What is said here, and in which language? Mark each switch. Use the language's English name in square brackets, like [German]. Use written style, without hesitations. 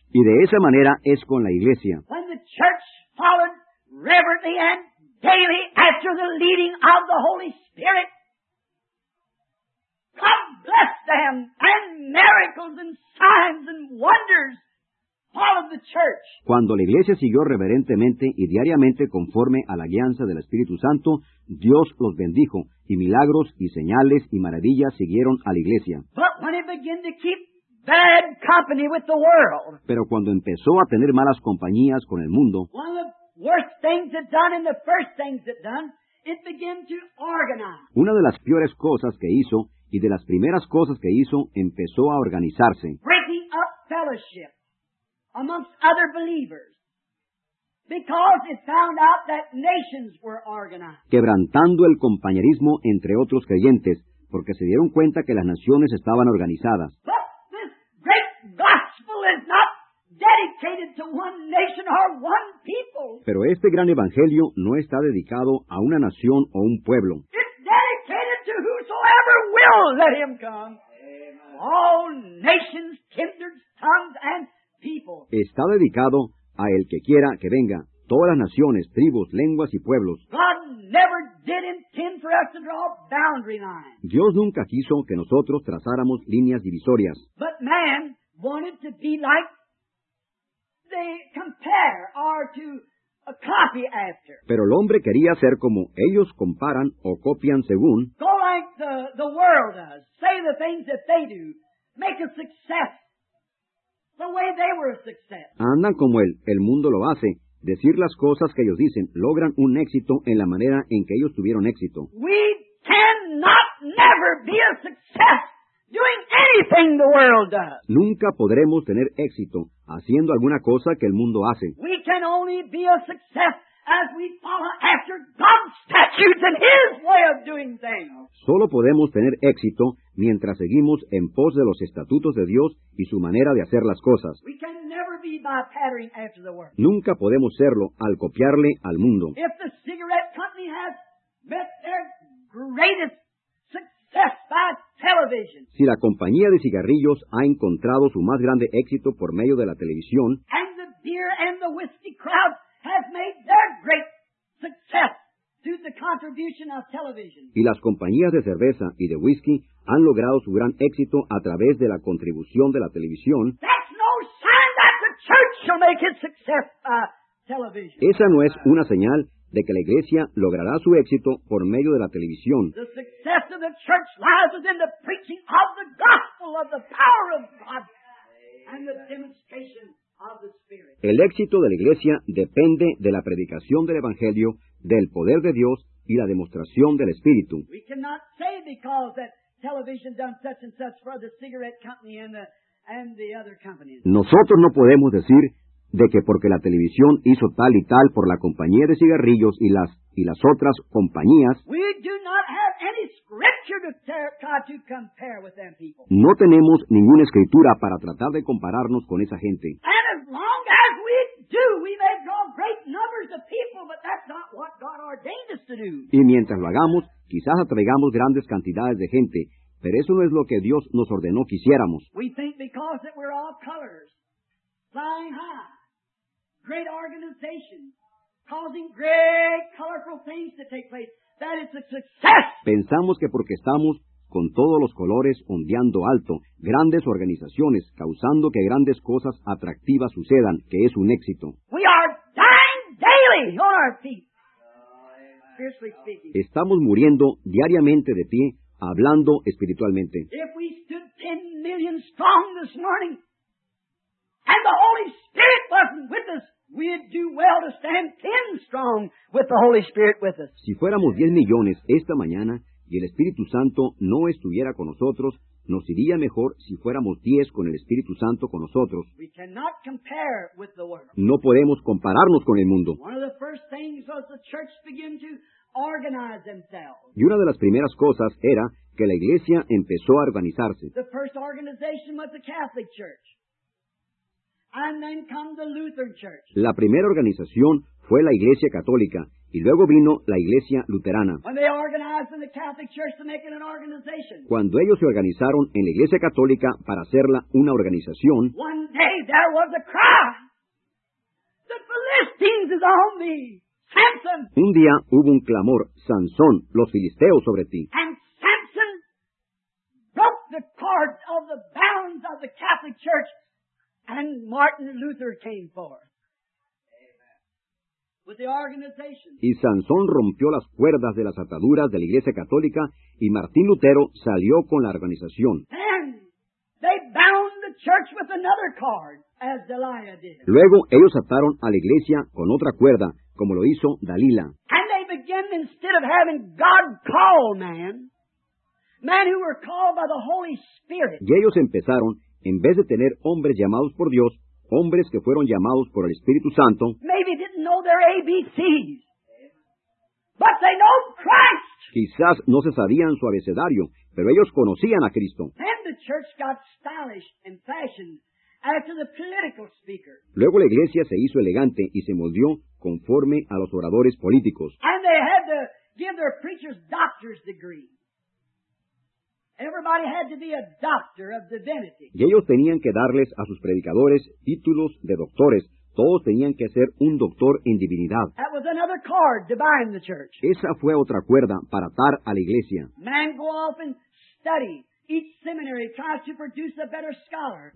[Spanish] Y de esa manera es con la iglesia. [English] When the church followed reverently and daily after the leading of the Holy Spirit, God bless them, and miracles and signs and wonders followed the church. [Spanish] Cuando la iglesia siguió reverentemente y diariamente conforme a la guianza del Espíritu Santo, Dios los bendijo, y milagros y señales y maravillas siguieron a la iglesia. [English] But when it began to keep bad company with the world, [Spanish] pero cuando empezó a tener malas compañías con el mundo, [English] one of the worst things it done and the first things it done, it began to organize. [Spanish] Una de las peores cosas que hizo y de las primeras cosas que hizo, empezó a organizarse. [English] Breaking up fellowship amongst other believers, because it found out that nations were organized. [Spanish] Quebrantando el compañerismo entre otros creyentes, porque se dieron cuenta que las naciones estaban organizadas. [English] But this great gospel is not dedicated to one nation or one people. [Spanish] Pero este gran evangelio no está dedicado a una nación o un pueblo. [English] Whosoever will, let him come. Amen. All nations, kindreds, tongues, and people. [Spanish] Está dedicado a el que quiera que venga. Todas las naciones, tribus, lenguas y pueblos. [English] God never did intend for us to draw boundary lines. [Spanish] Dios nunca quiso que nosotros trazáramos líneas divisorias. [English] But man wanted to be like they compare or to a copy after. [Spanish] Pero el hombre quería ser como ellos comparan o copian según. [English] The world does. Say the things that they do. Make a success the way they were a success. [Spanish] Andan como él. El mundo lo hace. Decir las cosas que ellos dicen. Logran un éxito en la manera en que ellos tuvieron éxito. [English] We cannot never be a success doing anything the world does. [Spanish] Nunca podremos tener éxito haciendo alguna cosa que el mundo hace. [English] We can only be a success as we follow after God's statutes and His way of doing things. [Spanish] Solo podemos tener éxito mientras seguimos en pos de los estatutos de Dios y su manera de hacer las cosas. [English] We can never be by patterning after the world. [Spanish] Nunca podemos serlo al copiarle al mundo. [English] If the cigarette company has met their greatest success by television, [Spanish] si la compañía de cigarrillos ha encontrado su más grande éxito por medio de la televisión, [English] and the beer and the whiskey crowd has made their great success through the contribution of television. [Spanish] Y las compañías de cerveza y de whisky han logrado su gran éxito a través de la contribución de la televisión. [English] That's no sign that the church shall make its success by television. [Spanish] Esa no es una señal de que la iglesia logrará su éxito por medio de la televisión. [English] The success of the church lies within the preaching of the gospel of the power of God and the demonstration. [Spanish] El éxito de la iglesia depende de la predicación del Evangelio, del poder de Dios y la demostración del Espíritu. [English] We cannot say because that television done such and such for the cigarette company and the other companies. [Spanish] Nosotros no podemos decir de que porque la televisión hizo tal y tal por la compañía de cigarrillos y las otras compañías, [English] we do not have any scripture to compare with them people. [Spanish] No tenemos ninguna escritura para tratar de compararnos con esa gente. [English] And as long as we do, we may draw great numbers of people, but that's not what God ordained us to do. [Spanish] Y mientras lo hagamos, quizás atraigamos grandes cantidades de gente, pero eso no es lo que Dios nos ordenó que hiciéramos. [English] We think because that we're all colors, flying high, great organizations, causing great colorful things to take place, that it's a success. [Spanish] Pensamos que porque estamos con todos los colores ondeando alto, grandes organizaciones, causando que grandes cosas atractivas sucedan, que es un éxito. [English] We are dying daily on our feet. [Spanish] Estamos muriendo diariamente de pie, hablando espiritualmente. [English] If we stood 10 million strong this morning, and the Holy Spirit wasn't with us, we'd do well to stand 10 strong with the Holy Spirit with us. [Spanish] Si fuéramos 10 millones esta mañana y el Espíritu Santo no estuviera con nosotros, nos iría mejor si fuéramos 10 con el Espíritu Santo con nosotros. [English] We cannot compare with the world. [Spanish] No podemos compararnos con el mundo. [English] One of the first things was the church began to organize themselves. [Spanish] Y una de las primeras cosas era que la iglesia empezó a organizarse. [English] The first organization was the Catholic Church. And then come the Lutheran Church. [Spanish] La primera organización fue la Iglesia Católica, y luego vino la Iglesia Luterana. [English] When they organized in the Catholic Church to make it an organization. [Spanish] Cuando ellos se organizaron en la Iglesia Católica para hacerla una organización, [English] one day there was a cry. The Philistines is on me. Samson. [Spanish] Un día hubo un clamor, Sansón, los filisteos sobre ti. [English] And Samson broke the cords of the bounds of the Catholic Church. And Martin Luther came forth with the organization. [Spanish] Y Sansón rompió las cuerdas de las ataduras de la Iglesia Católica, y Martín Lutero salió con la organización. [English] Then they bound the church with another cord, as Delilah did. [Spanish] Luego ellos ataron a la iglesia con otra cuerda, como lo hizo Dalila. [English] And they began, instead of having God call men who were called by the Holy Spirit. [Spanish] Y ellos empezaron, en vez de tener hombres llamados por Dios, hombres que fueron llamados por el Espíritu Santo, [English] maybe didn't know their ABCs, but they know Christ. [Spanish] Quizás no se sabían su abecedario, pero ellos conocían a Cristo. [English] And the church got stylish and fashioned after the political speaker. [Spanish] Luego la iglesia se hizo elegante y se moldeó conforme a los oradores políticos. [English] And they had to give their preachers doctor's degrees. Everybody had to be a doctor of divinity. [Spanish] Y ellos tenían que darles a sus predicadores títulos de doctores. Todos tenían que ser un doctor en divinidad. [English] That was another cord to bind the church. [Spanish] Esa fue otra cuerda para atar a la iglesia. [English] Men go off and study. Each seminary tries to produce a better scholar.